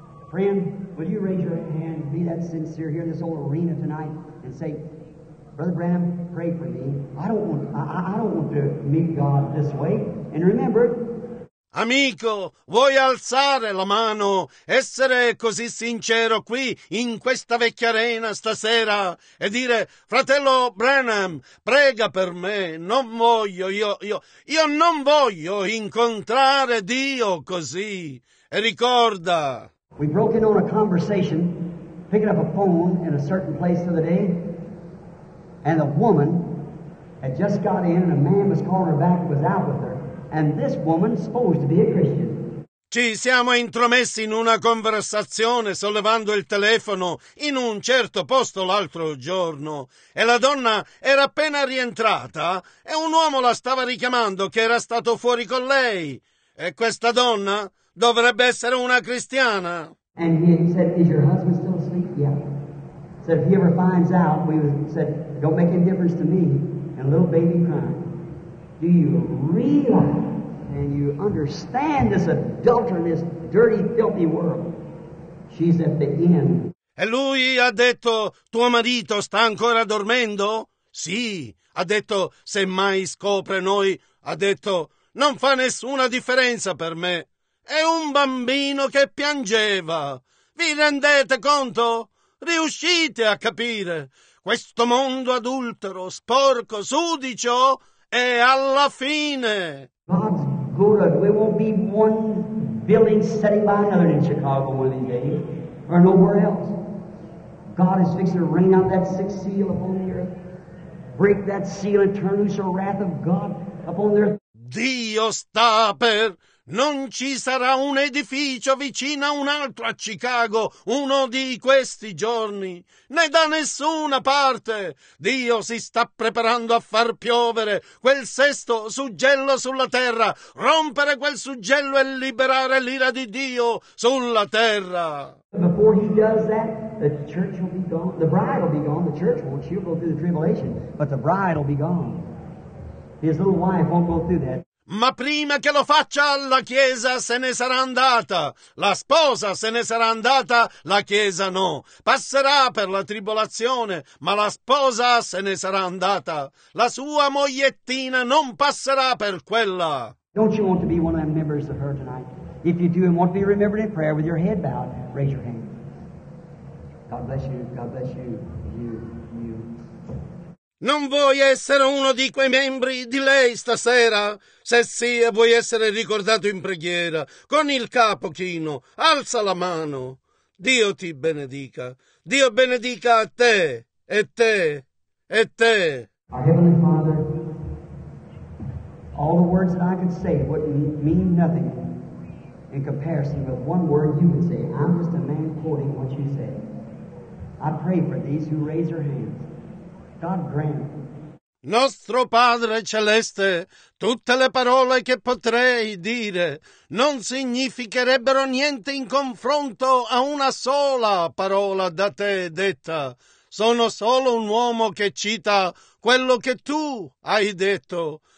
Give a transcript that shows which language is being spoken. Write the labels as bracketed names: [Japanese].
[English] Friend, will you raise your hand and be that sincere here in this old arena tonight and say, Brother Branham, pray for me. I don't want to meet God this way. And remember, [Italian] amico, vuoi alzare la mano, essere così sincero qui in questa vecchia arena stasera e dire, fratello Branham, prega per me, non voglio, io non voglio incontrare Dio così. E ricorda. [English] We broke in on a conversation, picking up a phone in a certain place of the day, and a woman had just got in and a man was calling her back, was out with her. And this woman is supposed to be a Christian. [Italian] Ci siamo intromessi in una conversazione sollevando il telefono in un certo posto l'altro giorno e la donna era appena rientrata e un uomo la stava richiamando che era stato fuori con lei. E questa donna dovrebbe essere una cristiana. [English] And he said, is your husband still asleep? Yeah. Said, if he ever finds out, we said, don't make any difference to me. And a little baby crying. Do you realize and you understand this adultery, this dirty, filthy world? She's at the end. [Italian] E lui ha detto, tuo marito sta ancora dormendo? Sì, ha detto, se mai scopre noi, ha detto, non fa nessuna differenza per me. È un bambino che piangeva. Vi rendete conto? Riuscite a capire? Questo mondo adultero, sporco, sudicio, e alla fine. [English] God's good. We won't be one building sitting by another in Chicago one of these days, or nowhere else. God is fixing to rain out that sixth seal upon the earth, break that seal and turn loose the wrath of God upon the earth. [Italian] Dio sta per. Non ci sarà un edificio vicino a un altro a Chicago uno di questi giorni, né da nessuna parte. Dio si sta preparando a far piovere quel sesto suggello sulla terra, rompere quel suggello e liberare l'ira di Dio sulla terra. [English] Before he does that, the church will be gone. The bride will be gone. The church won't. She'll go through the tribulation, but the bride will be gone. His little wife won't go through that. [Italian] Ma prima che lo faccia, la Chiesa se ne sarà andata. La sposa se ne sarà andata, la Chiesa no. Passerà per la tribolazione, ma la sposa se ne sarà andata. La sua mogliettina non passerà per quella. [English] Don't you want to be one of the members of her tonight? If you do and want to be remembered in prayer with your head bowed, raise your hand. God bless you, God bless you, you. [Italian] Non vuoi essere uno di quei membri di lei stasera? Se sì, vuoi essere ricordato in preghiera, con il capo chino, alza la mano. Dio ti benedica. Dio benedica a te, e te, e te. [English] Our Heavenly Father, all the words that I could say wouldn't mean nothing in comparison, but one word you would say, I'm just a man quoting what you said. I pray for these who raise their hands. God grant. [Italian] Nostro Padre Celeste, tutte le parole che potrei dire non significherebbero niente in confronto a una sola parola da te detta. Sono solo un uomo che cita quello che tu hai detto.